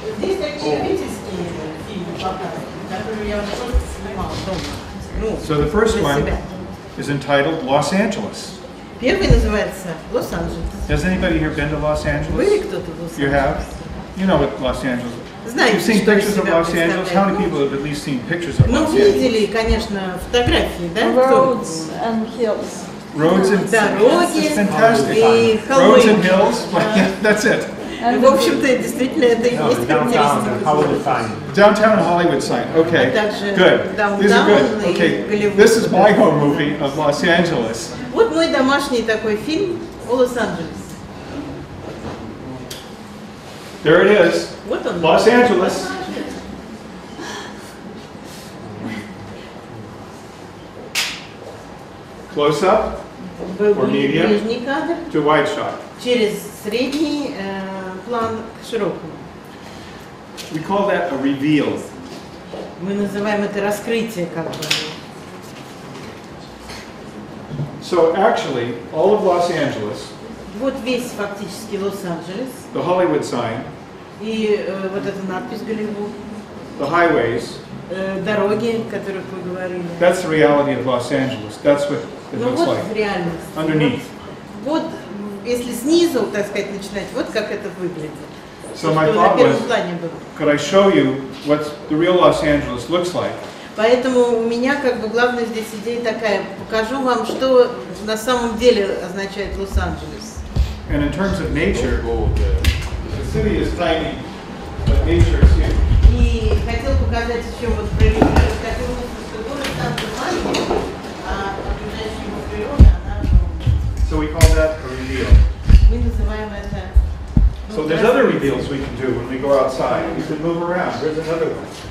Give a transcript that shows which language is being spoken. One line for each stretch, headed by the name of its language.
English: These are theoretical. So the first one is entitled Los Angeles.
Russian: Первый называется Los Angeles.
English: Has anybody here been to Los Angeles?
Russian: Вы кто-то в Лос-Анджелес?
English: You have? You know what Los Angeles is.
Russian: Знаете,
English: you've seen pictures of Los Angeles? How many people have at least seen pictures of Los Angeles?
Russian: Ну, видели, конечно, фотографии, да?
English: Roads and hills. Roads and hills. Fantastic. Roads and hills. That's it.
Russian: And в общем-то, действительно, это и есть характеристика.
English: Hollywood sign. Downtown Hollywood sign. Okay. Good. These are good. Okay. This is my home movie of Los Angeles.
Russian: Вот мой домашний такой фильм о Лос-Анджелесе.
English: There it is.
Russian: Вот он.
English: Los Angeles. Close up or medium to wide shot.
Russian: Через средний план к широкому.
English: We call that a reveal.
Russian: Мы называем это раскрытие, как бы.
English: So actually, all of Los Angeles.
Russian: Вот весь фактически Лос-Анджелес.
English: The Hollywood sign.
Russian: И вот эта надпись Голливуд.
English: The highways.
Russian: Дороги, о которых вы говорили.
English: That's the reality of Los Angeles. That's what it looks
Russian: вот
English: like.
Russian: Реальность.
English: Underneath.
Russian: Вот, если снизу, так сказать, начинать, вот как это выглядит.
English: So my thought was, could I show you what the real Los Angeles looks like?
Russian: Поэтому у меня как бы главная здесь идея такая, покажу вам, что на самом деле означает Лос-Анджелес.
English: And in terms of nature, the city is tiny, but nature is huge.
Russian: И хотел показать еще вот прорисовать, что город там маленький, а окружающая его природа, она огромная. Мы называем это...
English: So there's other reveals we can do when we go outside. You can move around. There's another one.